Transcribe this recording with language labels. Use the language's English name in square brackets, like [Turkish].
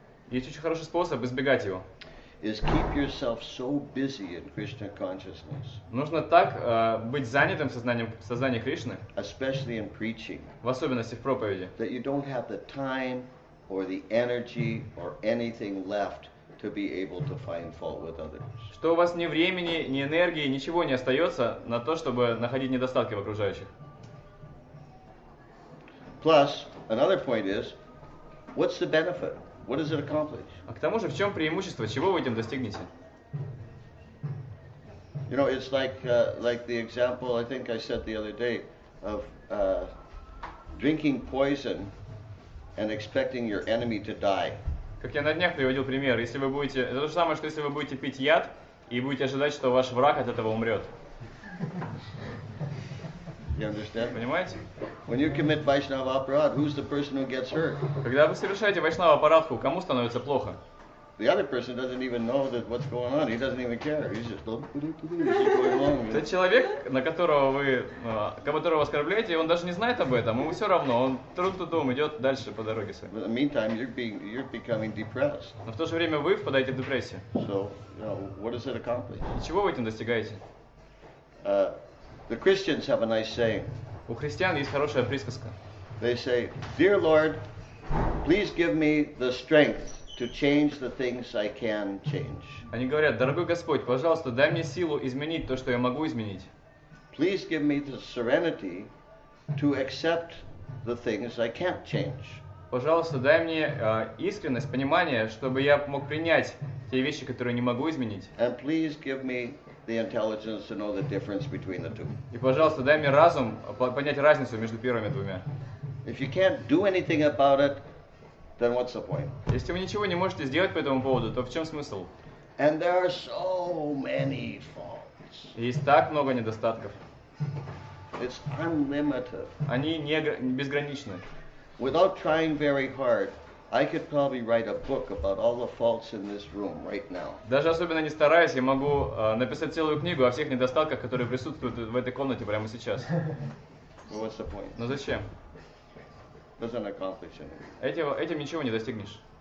[Russian] Есть очень хороший способ избегать его. [English] Is keep yourself so busy in Krishna consciousness. [Russian] Нужно так быть занятым сознанием Кришны. [English] Especially in preaching. [Russian] В особенности в проповеди. [English] That you don't have the time or the energy or anything left to be able to find fault with others. [Russian] Что у вас ни времени, ни энергии, ничего не остается на то, чтобы находить недостатки в окружающих. [English] Plus, another point is, what's the benefit? What does it accomplish? [Russian] А к тому же, в чем преимущество? Чего вы этим достигнете? [English] You know, it's like the example I think I said the other day of drinking poison and expecting your enemy to die. [Russian] Как я на днях приводил пример, если вы будете, это то же самое, что если вы будете пить яд и будете ожидать, что ваш враг от этого умрет. [English] You understand? [Russian] Понимаете? [English] When you commit Vaishnava aparat, who's the person who gets hurt? [Russian] Когда вы совершаете Vaishnava aparatku, кому становится плохо? [English] The other person doesn't even know that what's going on. He doesn't even care. He's just keep going along. [Russian] Тот человек, на которого вы, которого оскорбляете, он даже не знает об этом. Ему все равно. Он трудом идет дальше по дороге своей. [English] But in the meantime, you're becoming depressed. [Russian] Но в то же время вы впадаете в депрессию. [English] So, you know, what does it accomplish? [Russian] И чего вы этим достигаете? [English] The Christians have a nice saying. [Russian] У христиан есть хорошая присказка. [English] They say, "Dear Lord, please give me the strength to change the things I can change." [Russian] Они говорят: "Дорогой Господь, пожалуйста, дай мне силу изменить то, что я могу изменить." [English] Please give me the serenity to accept the things I can't change. [Russian] Пожалуйста, дай мне искренность, понимание, чтобы я мог принять те вещи, которые не могу изменить. [English] And please give me the intelligence to know the difference between the two. [Russian] И, пожалуйста, дай мне разум понять разницу между первыми двумя. [English] If you can't do anything about it, then what's the point? [Russian] Если вы ничего не можете сделать по этому поводу, то в чем смысл? [English] And there are so many faults. [Russian] Есть так много недостатков. [English] It's unlimited. [Russian] Они не безграничны. [English] Without trying very hard, I could probably write a book about all the faults in this room right now. [Russian] Даже особенно не стараясь, я могу написать целую книгу о всех недостатках, которые присутствуют в этой комнате прямо сейчас. [English] But what's the point? [Russian] Но зачем? [English] Doesn't accomplish anything. [Russian] Этим ничего не достигнешь.